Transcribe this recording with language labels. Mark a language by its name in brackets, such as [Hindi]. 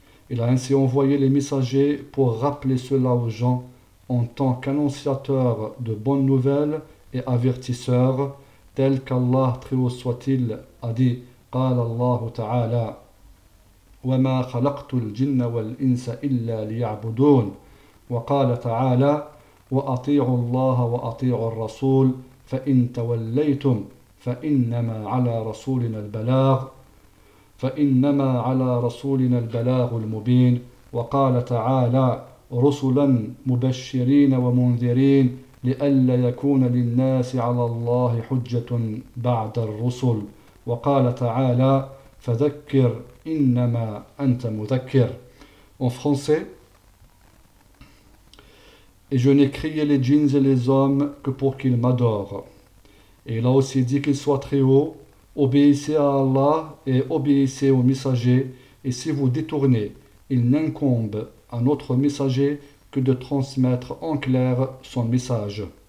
[French] Il a ainsi envoyé les messagers pour rappeler cela aux gens en tant qu'annonciateur de bonnes nouvelles et avertisseur, tel qu'Allah, très haut soit-il, a dit « قال الله تعالى » وَمَا خَلَقْتُ الْجِنَّ وَالْإِنسَ إِلَّا لِيَعْبُدُونَ وَقَالَ تَعَالَى وَأَطِيعُوا اللَّهَ وَأَطِيعُوا الرَّسُولَ فَإِن تَوَلَّيْتُمْ [Arabic] فإنما على رسولنا البلاغ فإنما على رسولنا البلاغ المبين. وقال تعالى رسلا مبشرين ومنذرين لئلا يكون للناس على الله حجة بعد الرسل. وقال تعالى فذكر إنما أنت مذكر. [French] En français. Et je n'ai crié les djinns et les hommes que pour qu'ils m'adorent. Et il a aussi dit qu'il soit très haut, obéissez à Allah et obéissez aux messagers. Et si vous détournez, il n'incombe à notre messager que de transmettre en clair son message.